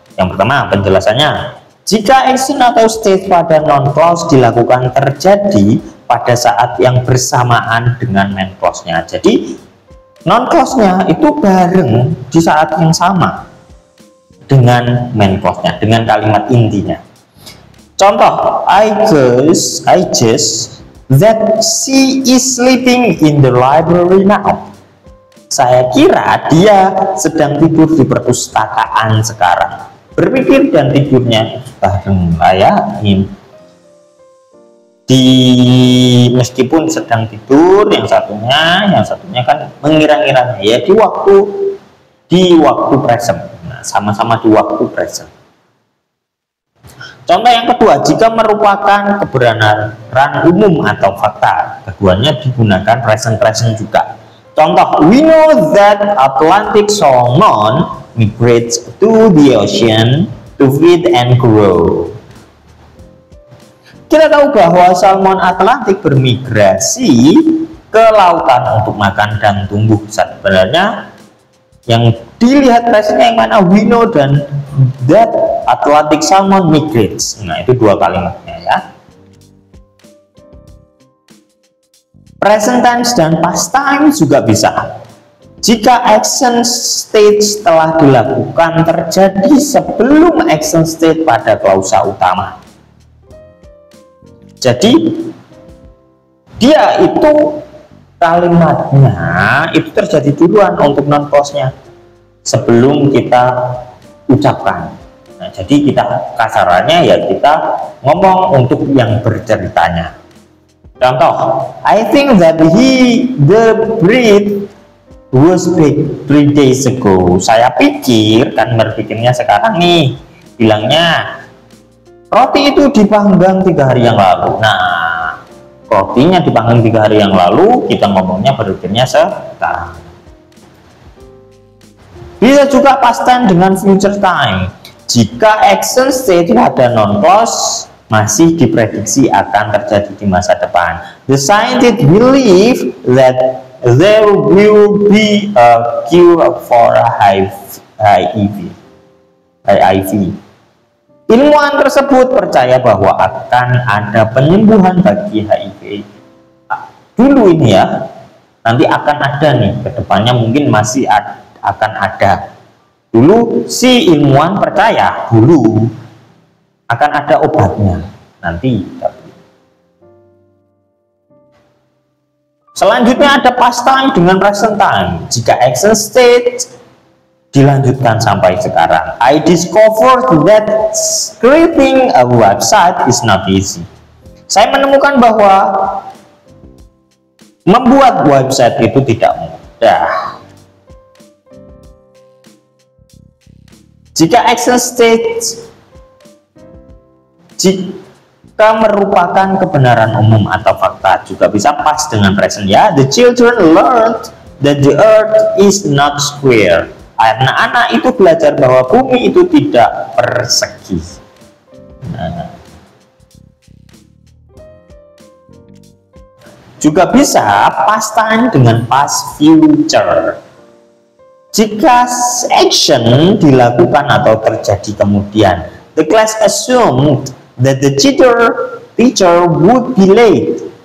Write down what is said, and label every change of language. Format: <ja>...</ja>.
<id>Yang pertama, penjelasannya. Jika action atau state pada non clause dilakukan terjadi pada saat yang bersamaan dengan main clause-nya. Jadi, non clause-nya itu bareng di saat yang sama dengan main clause-nya, dengan kalimat intinya. Contoh,</id> <en>I guess that she is sleeping in the library now.</en> <id>Saya kira dia sedang tidur di perpustakaan sekarang. Berpikir dan tidurnya bareng layakin. Di meskipun sedang tidur, yang satunya kan mengira-ngiranya ya di waktu present. Nah, sama-sama di waktu present. Contoh yang kedua, jika merupakan kebenaran umum atau fakta, keduanya digunakan present-present juga. Contoh,</id> <en>we know that Atlantic salmon migrates to the ocean to feed and grow.</en> <id>Kita tahu bahwa salmon Atlantik bermigrasi ke lautan untuk makan dan tumbuh. Sebenarnya yang dilihat presentnya yang mana,</id> <en>we know</en> <id>dan</id> <en>that Atlantic salmon migrates.</en> <id>Nah, itu dua kalimatnya ya. Present tense dan past time juga bisa. Jika action state telah dilakukan terjadi sebelum action state pada klausa utama. Jadi, dia itu kalimatnya itu terjadi duluan untuk non clause-nya sebelum kita ucapkan. Nah, jadi kita kasarannya ya kita ngomong untuk yang berceritanya. Contoh,</id> <en>I think that the breed was big 3 days ago.</en> <id>Saya pikir kan berpikirnya sekarang nih, bilangnya roti itu dipanggang 3 hari yang lalu. Nah, rotinya dipanggang 3 hari yang lalu, kita ngomongnya berpikirnya sekarang. Bisa juga past tense dengan future time. Jika action state pada non clause masih diprediksi akan terjadi di masa depan.</id> <en>The scientist believe that there will be a cure for HIV.</en> <id>Ilmuwan tersebut percaya bahwa akan ada penyembuhan bagi HIV. Dulu ini ya, nanti akan ada nih, kedepannya mungkin masih akan ada. Dulu si ilmuwan percaya dulu akan ada obatnya nanti. Selanjutnya ada past time dengan present time. Jika action state dilanjutkan sampai sekarang,</id> <en>I discovered that creating a website is not easy.</en> <id>Saya menemukan bahwa membuat website itu tidak mudah. Jika action state jika merupakan kebenaran umum atau fakta, juga bisa pas dengan present ya.</id> <en>The children learned that the earth is not square.</en> <id>Anak-anak itu belajar bahwa bumi itu tidak persegi. Nah. Juga bisa past time dengan past future. Jika action dilakukan atau terjadi kemudian,</id> <en>the class assumed that the teacher would be late.</en>